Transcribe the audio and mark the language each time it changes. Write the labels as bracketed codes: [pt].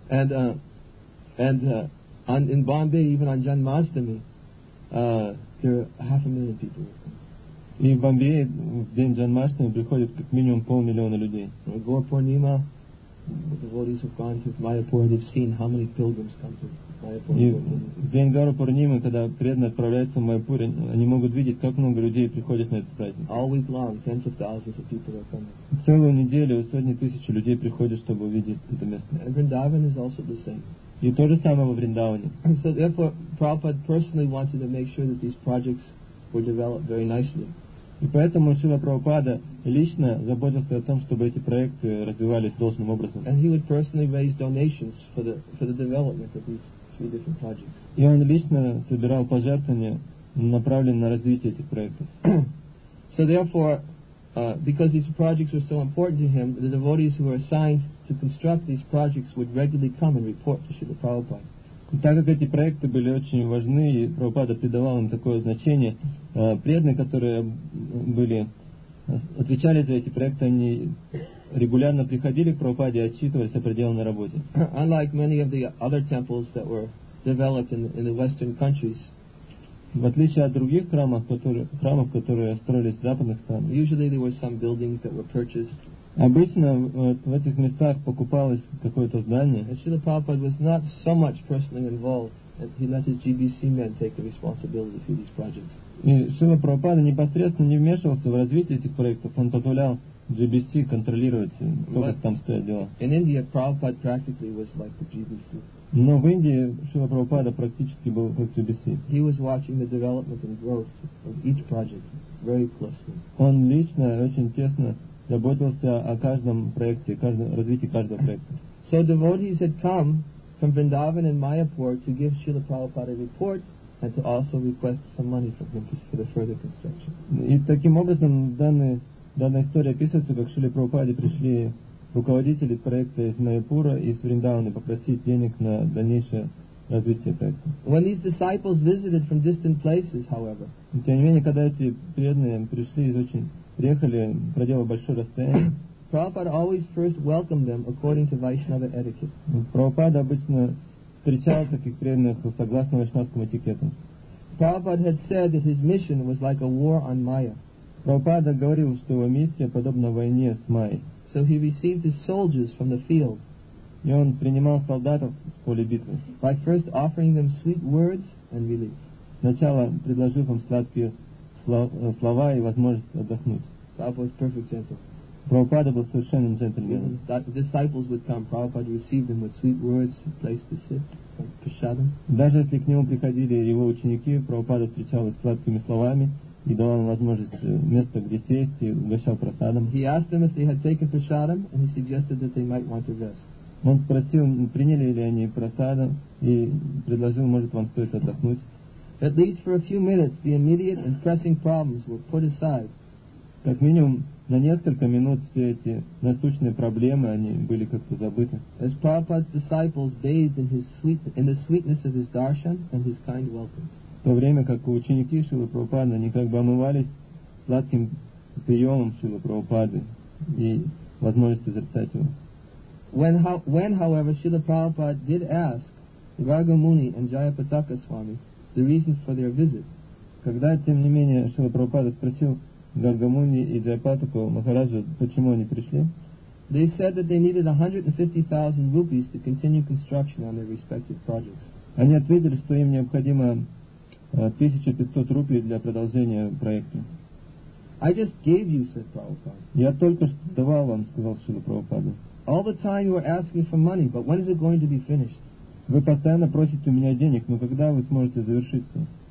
[en] And in Bombay, even on Janmashtami, there are 500,000 people. [ru] И в Бомбее в день Джанмаштами приходит как минимум 500,000 людей. [en] Гор Пурнима, the devotees have gone to Mayapur, they've seen how many pilgrims come to Mayapur. [ru] И в день Гору Пурнимы, когда преданные отправляются в Майпур, они могут видеть, как много людей приходит на этот праздник. [en] All week long, tens of thousands of people are coming. [ru] Целую неделю сотни тысяч людей приходят, чтобы увидеть это место. [en] And Vrindavan is also the same. [ru] И то же самое во Вриндаване. [en] So therefore, Prabhupada personally wanted to make sure that these projects were developed very nicely. [ru] И поэтому Шрила Прабхупада лично заботился о том, чтобы эти проекты развивались должным образом. [en] And he would personally raise donations for the development of these three different projects. [ru] И он лично собирал пожертвования, направленные на развитие этих проектов. [en] So therefore, because these projects were so important to him, the devotees who were assigned to construct these projects would regularly come and report to Shrila Prabhupada. [ru] Так как эти проекты были очень важны, и Прабхупада придавал им такое значение, преданные, которые были, отвечали за эти проекты, они регулярно приходили к Прабхупаде и отчитывались о проделанной работе. [en] Unlike many of the other temples that were developed in the Western countries, [ru] в отличие от других храмов, которые строились в западных странах, [en] usually there were some buildings that were purchased. [ru] Обычно в этих местах покупалось какое-то здание. [en] And Srila Prabhupada was not so much personally involved, and he let his GBC men take the responsibility for these projects. [ru] И Шрила Прабхупада непосредственно не вмешивался в развитие этих проектов, он позволял GBC контролировать то, как там стоят дела. [en] In India, Prabhupada practically was like the GBC. [ru] Но в Индии Шрила Прабхупада практически был как GBC. [en] He was watching the development and growth of each project very closely. [ru] Он лично очень тесно заботился о каждом проекте, развитии каждого проекта. [en] So devotees had come from Vrindavan and Mayapur to give Srila Prabhupada a report and to also request some money from him for the further construction. [ru] И таким образом данная история описывается, как Шрила Прабхупаде пришли руководители проекта из Майяпура и из Вриндавана попросить денег на дальнейшее развитие проекта. [en] When these disciples visited from distant places, however, [ru] тем не менее, когда эти преданные пришли из очень приехали, проделали большое расстояние. [en] Prabhupada always first welcomed them according to Vaishnava etiquette. [ru] Прабхупада обычно встречал таких преданных согласно вайшнавскому этикету. [en] Prabhupada had said that his mission was like a war on Maya. [ru] Прабхупада говорил, что его миссия подобна войне с Майей. [en] So he received his soldiers from the field. [ru] И он принимал солдатов с поля битвы. [en] By first offering them sweet words and relief. [ru] Сначала предложил им сладкие слова и возможность отдохнуть. [en] Prabhupada was perfect gentle. [ru] Прабхупада был совершенным джентльменом. [en] The disciples would come. Prabhupada received them with sweet words, a place to sit, and prasadam. [ru] Даже если к нему приходили его ученики, Прабхупада встречал их сладкими словами и давал им возможность место, где сесть, и угощал прасадам. [en] He asked them if they had taken prasadam, and he suggested that they might want to rest. [ru] Он спросил, приняли ли они прасадам, и предложил, может, вам стоит отдохнуть. [en] At least for a few minutes, the immediate and pressing problems were put aside. [ru] Как минимум на несколько минут все эти насущные проблемы они были как-то забыты. [en] As Prabhupada's disciples bathed in the sweetness of his darshan and his kind welcome. [ru] В то время как ученики Шрилы Прабхупады они как бы омывались сладким приемом Шрилы Прабхупады и возможностью зарицать его. [en] When, however, Srila Prabhupada did ask Raga Muni and Jayapataka Swami the reason for their visit. [ru] Когда, тем не менее, Шрила Прабхупада спросил Гаргамуни и Джайапатаку Махараджу, почему они пришли, [en] they said that they needed 150,000 rupees to continue construction on their respective projects. [ru] Они ответили, что им необходимо 1500 рупий для продолжения проекта. [en] I just gave you, said Prabhupada. [ru] Я только что давал вам, сказал Шрила Прабхупада. [en] All the time you are asking for money, but when is it going to be finished? [ru] Вы постоянно просите у меня денег, но когда вы сможете завершиться?